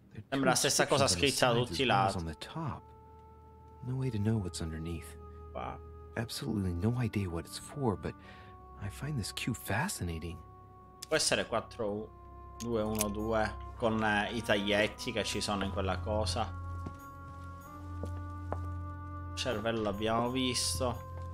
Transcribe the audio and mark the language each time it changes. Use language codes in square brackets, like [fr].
[it] Sembra la stessa cosa scritta da tutti i lati. [en] On the top. No way to know what's underneath. Wow. Absolutely no idea what it's for, but I find this cue fascinating. [it] Può essere 4212 con i taglietti che ci sono in quella cosa. Cervello abbiamo visto.